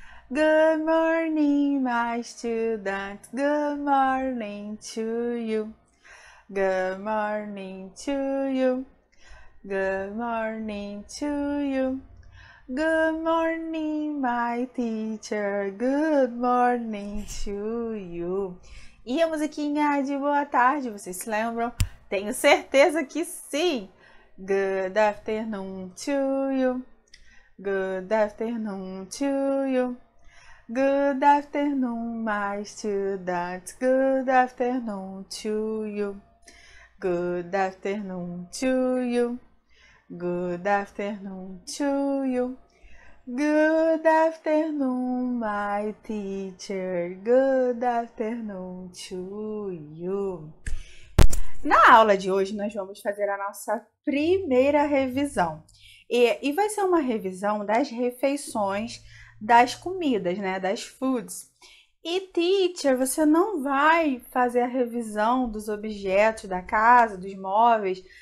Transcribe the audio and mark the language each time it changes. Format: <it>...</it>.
<en>Good morning, my student. Good morning to you. Good morning to you. Good morning to you. Good morning, my teacher. Good morning to you.</en> <pt>E a musiquinha de boa tarde, vocês se lembram? Tenho certeza que sim.</pt> <en>Good afternoon to you. Good afternoon to you. Good afternoon, my students. Good afternoon to you. Good afternoon to you. Good afternoon to you. Good afternoon, my teacher. Good afternoon to you.</en> <pt>Na aula de hoje, nós vamos fazer a nossa primeira revisão. E vai ser uma revisão das refeições. Das comidas, né? Das foods. E teacher, você não vai fazer a revisão dos objetos da casa, dos móveis.</pt>